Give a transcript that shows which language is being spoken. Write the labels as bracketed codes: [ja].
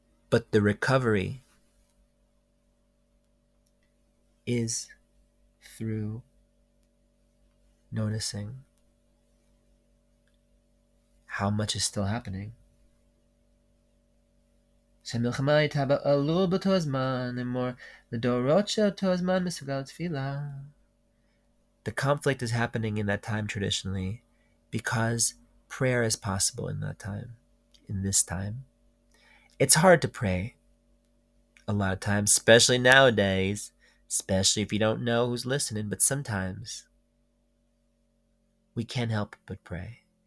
[en] But the recovery is through noticing how much is still happening. [he] שהמלחמה הייתה באלול באותו הזמן, אמור לדורות שאותו הזמן מסוגל תפילה. [en] The conflict is happening in that time traditionally because prayer is possible in that time, in this time. It's hard to pray a lot of times, especially nowadays, especially if you don't know who's listening, but sometimes we can't help but pray.